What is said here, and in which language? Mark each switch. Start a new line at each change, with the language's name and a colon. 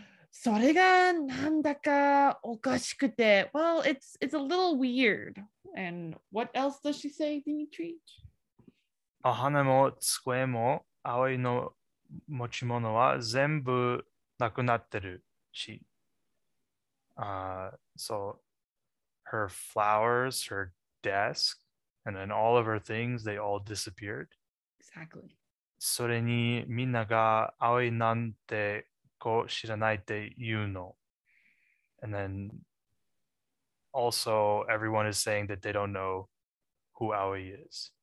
Japanese: それがなんだかおかしくて。
English: Well, it's a little weird. And what else does she say, Dimitri?
Japanese: お花も机も葵の持ち物は全部なくなってるし。
English: So her flowers, her desk, and then all of her things, they all disappeared. Exactly.
Japanese: それにみんなが葵なんて知らないって言うの。
English: And then also everyone is saying that they don't know who Aoi is.